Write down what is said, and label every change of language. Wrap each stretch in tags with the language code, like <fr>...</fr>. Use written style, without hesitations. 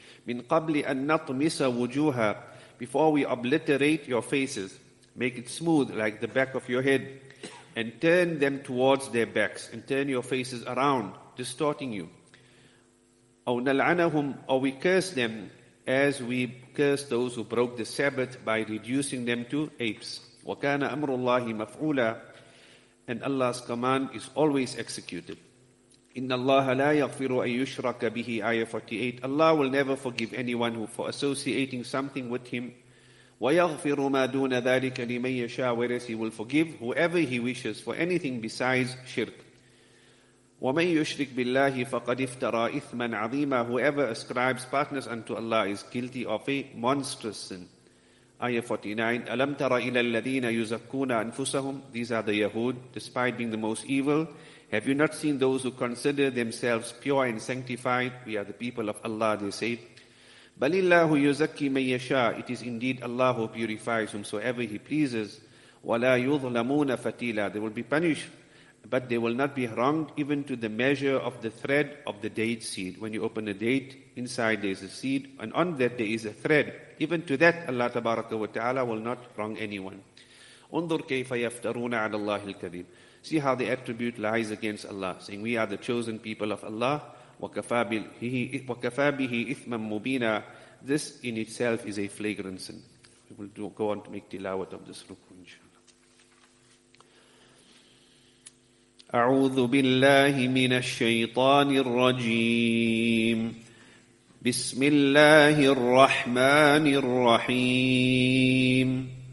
<ar>Min qabli an natmisa wujuha,</ar> <en>before we obliterate your faces, make it smooth like the back of your head, and turn them towards their backs, and turn your faces around, distorting you.</en> <ar>Aw nal'anahum,</ar> <en>or we curse them, as we curse those who broke the Sabbath by reducing them to apes.</en> <ar>وَكَانَ أَمْرُ اللَّهِ مَفْعُولًا,</ar> <en>and Allah's command is always executed.</en> <ar>إِنَّ اللَّهَ لَا يَغْفِرُ أَن يُشْرَكَ بِهِ, Ayah 48.</ar> <en>Allah will never forgive anyone who for associating something with him.</en> <ar>وَيَغْفِرُ مَا دُونَ ذَلِكَ لِمَن يَشَاءُ,</ar> <en>whereas he will forgive whoever he wishes for anything besides shirk.</en> <ar>وَمَن يُشْرِكْ بِاللَّهِ فَقَدْ افْتَرَى إِثْمًا عَظِيمًا,</ar> <en>whoever ascribes partners unto Allah is guilty of a monstrous sin. Ayah 49,</en> <ar>أَلَمْ تَرَ إِلَى الَّذِينَ يُزَكُّونَ أَنفُسَهُمْ,</ar> <en>these are the Yahud, despite being the most evil, have you not seen those who consider themselves pure and sanctified? We are the people of Allah, they say.</en> <ar>بَلِ اللَّهُ يُزَكِّي مَنْ يَشَاءُ,</ar> <en>it is indeed Allah who purifies whomsoever he pleases.</en> <ar>وَلَا يُظْلَمُونَ فَتِيلًا,</ar> <en>they will be punished, but they will not be wronged even to the measure of the thread of the date seed. When you open a date, inside there is a seed, and on that there is a thread. Even to that, Allah Tabaraka wa Ta'ala will not wrong anyone.</en> <ar>انظر كيف يفترون على الله الكذب.</ar> <en>See how the attribute lies against Allah, saying, we are the chosen people of Allah.</en> <ar>وكفى به إثما مبينا.</ar> <en>This in itself is a flagrant sin. We will go on to make tilawat of this ruku, inshallah.</en> <ar>أعوذ بالله من الشيطان الرجيم. بسم الله الرحمن الرحيم.</ar>